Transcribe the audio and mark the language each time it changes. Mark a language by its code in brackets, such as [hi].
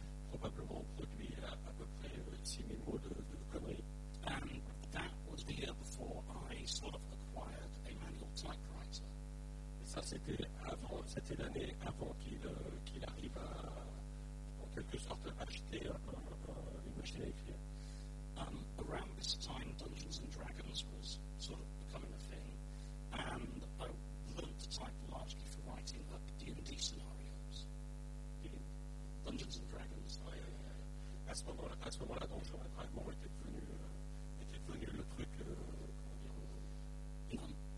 [fr] Probablement produit à peu près 6000 mots de conneries. [en] And that was the year before I sort of acquired a manual typewriter. [fr] Et ça, c'était l'année avant qu'il arrive à, en quelque sorte, acheter une machine à écrire. [en] Around this time, Dungeons and Dragons was sort of becoming a thing. And I learned to type largely for writing up D&D scenarios. Dungeons and Dragons. [fr] Oui, oui, oui. À ce moment-là, Dungeons and Dragons était devenu le truc, le truc in.